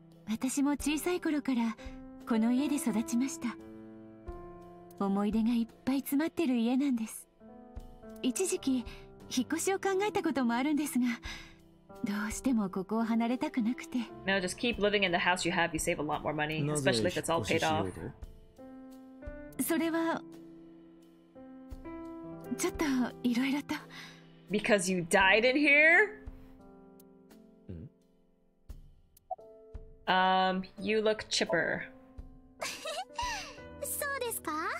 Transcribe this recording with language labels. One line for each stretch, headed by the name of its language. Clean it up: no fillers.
Japanese: 私も小さい頃からこの家で育ちました。思い出がいっぱい詰まってる家なんです。一時期引っ越しを考えたこともあるんですが、どうしてもここを離れたくなくて。
English: No, just keep living in the house you have. You save a lot more money, especially if it's all paid off.
Japanese: それはちょっといろいろと。
English: Because you died in here? You look chipper.
Japanese: そうですか？